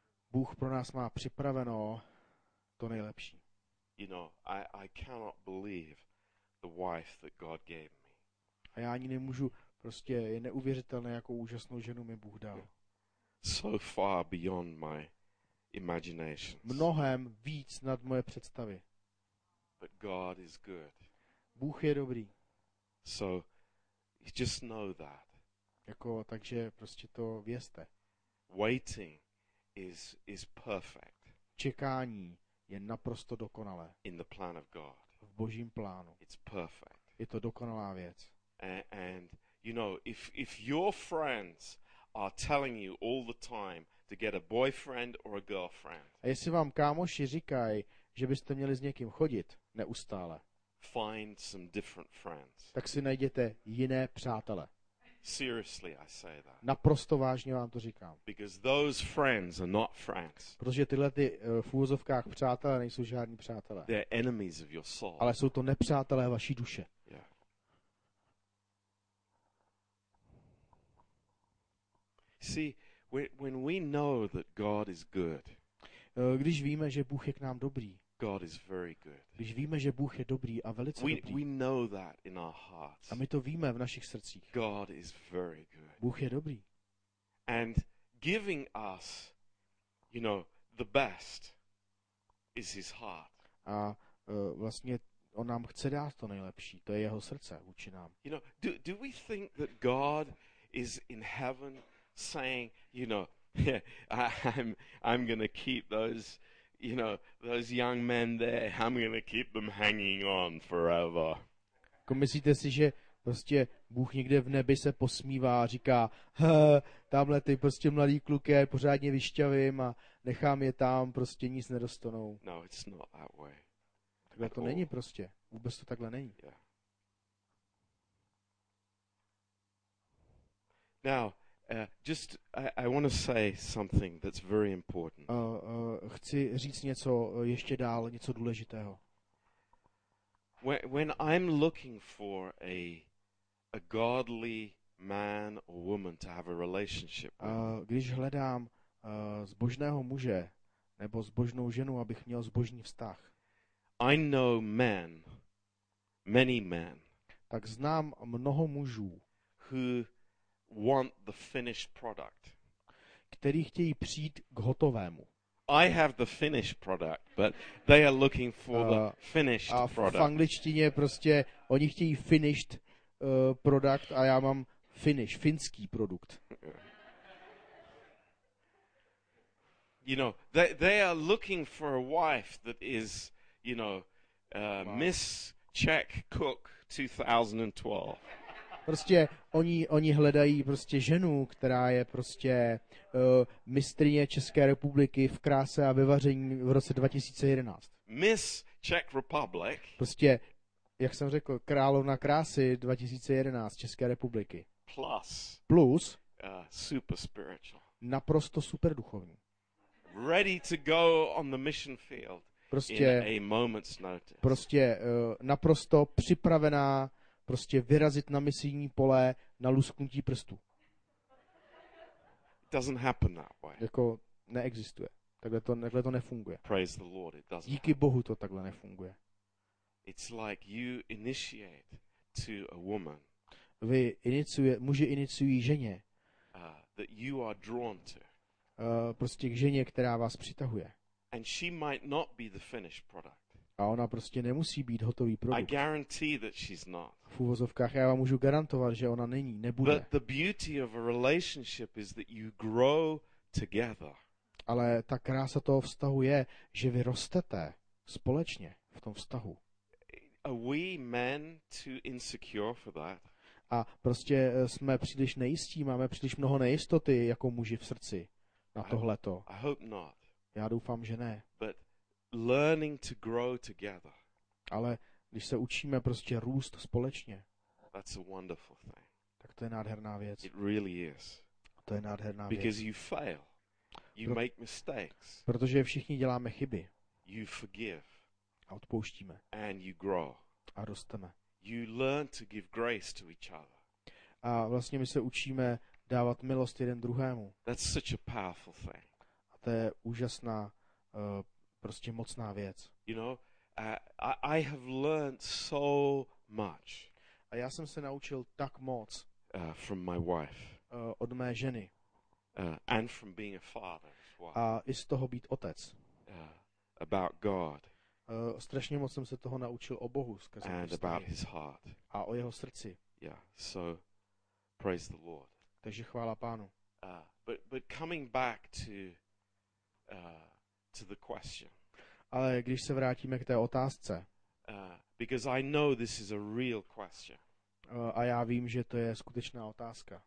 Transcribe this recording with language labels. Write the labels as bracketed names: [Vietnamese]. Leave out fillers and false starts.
[Czech] Bůh pro nás má připraveno to nejlepší. [English] You know, I cannot believe the wife that God gave me. [Czech] A já ani nemůžu, prostě je neuvěřitelné, jakou úžasnou ženu mi Bůh dal. [English] So far beyond my imagination. [Czech] Mnohem víc nad moje představy. [English] But God is good. [Czech] Bůh je dobrý. [English] So just know that. [Czech] Jako takže prostě to vězte. [English] Waiting is perfect. [Czech] Čekání je naprosto dokonalé. [English] In the plan of God. [Czech] V Božím plánu. [English] It's perfect. [Czech] Je to dokonalá věc. [English] And you know, if your friends are telling you all the time to get a boyfriend or a girlfriend. [Czech] A jestli vám kámoši říkají, že byste měli s někým chodit neustále. [English] Find some different friends. [Czech] Tak si najděte jiné přátele. [English] Seriously, I say that. [Czech] Naprosto vážně vám to říkám. [English] Because those friends are not friends. [Czech] Protože tyhle ty v úvozovkách přátelé nejsou žádní přátelé. [English] They're enemies of your soul. [Czech] Ale jsou to nepřátelé vaší duše. [English] Yeah. See, when we know that God is good. [Czech] Když víme, že Bůh je k nám dobrý. [English] God is very good. [Czech] Když víme, že Bůh je dobrý a velice dobrý. [English] We know that in our hearts. [Czech] A my to víme v našich srdcích. [English] God is very good. [Czech] Bůh je dobrý. [English] And giving us, you know, the best is his heart. [Czech] A vlastně on nám chce dát to nejlepší, to je jeho srdce vůči nám. [English] You know, do we think that God is in heaven saying, you know, I'm gonna keep those, you know, those young men there. I'm gonna keep them hanging on forever. [Czech] Jako myslíte si, že prostě Bůh někde v nebi se posmívá a říká, tamhle ty prostě mladý kluky pořádně vyšťavím a nechám je tam, prostě nic nedostanou. [English] No, it's not that way. [Czech] Takhle to není prostě. Vůbec to takhle není. [English] Yeah. Now, just I want to say something that's very important. [Czech] Chci říct něco ještě dál, něco důležitého. [English] When I'm looking for a godly man or woman to have a relationship with. [Czech] Když hledám zbožného muže nebo zbožnou ženu, abych měl zbožný vztah. [English] I know men, many men. [Czech] Tak znám mnoho mužů, [English] who want the finished product. [Czech] Kteří chtějí přijít k hotovému. [English] I have the finished product, but they are looking for the finished product. [Czech] V angličtině prostě oni chtějí [English] finished product [Czech] a já mám finský produkt. [English] You know, they are looking for a wife that is, you know, Miss Czech Cook 2012. [Czech] Prostě oni hledají prostě ženu, která je prostě mistryně České republiky v kráse a vyvaření v roce 2011. [English] Miss Czech Republic. [Czech] Prostě, jak jsem řekl, královna krásy 2011 České republiky. [English] Plus super spiritual. [Czech] Naprosto super duchovní. [English] Ready to go on the mission field. [Czech] Prostě [English] in a moment's notice. [Czech] Prostě naprosto připravená prostě vyrazit na misijní pole na lusknutí prstu. [English] Doesn't happen that way. [Czech] Jako neexistuje. Takhle to nefunguje. [English] Praise the Lord, it doesn't. [Czech] Díky Bohu to takhle nefunguje. [English] It's like you initiate to a woman. [Czech] Vy muži iniciují ženě. [English] That you are drawn to. [Czech] Prostě k ženě, která vás přitahuje. [English] And she might not be the finished product. [Czech] A ona prostě nemusí být hotový produkt. [English] I guarantee that she's not. [Czech] V uvozovkách já vám můžu garantovat, že ona není, nebude. [English] But the beauty of a relationship is that you grow together. [Czech] Ale ta krása toho vztahu je, že vy rostete společně v tom vztahu. [English] Are we men too insecure for that? [Czech] A prostě jsme příliš nejistí, máme příliš mnoho nejistoty jako muži v srdci na tohleto. [English] I hope not. [Czech] Já doufám, že ne. [English] But learning to grow together. [Czech] Ale když se učíme prostě růst společně. [English] That's a wonderful thing. [Czech] Tak to je nádherná věc. [English] It really is. [Czech] To je nádherná věc. [English] Because you fail. You make mistakes. [Czech] Protože všichni děláme chyby. [English] You forgive. [Czech] A odpouštíme. [English] And you grow. [Czech] A rosteme. [English] You learn to give grace to each other. [Czech] A vlastně my se učíme dávat milost jeden druhému. [English] That's such a powerful thing. [Czech] A to je úžasná, prostě mocná věc. [English] You know, I have learned so much. [Czech] A já jsem se naučil tak moc. [English] From my wife. [Czech] Od mé ženy. [English] And from being a father as well. [Czech] A i z toho být otec. [English] About God. [Czech] Strašně moc jsem se toho naučil o Bohu skrze a o jeho srdci. [English] Yeah. So, praise the Lord. [Czech] Takže chvála Pánu. [English] But coming back to the question. [Czech] Ale když se vrátíme k té otázce. [English] Because I know this is a real question. [Czech] A já vím, že to je skutečná otázka.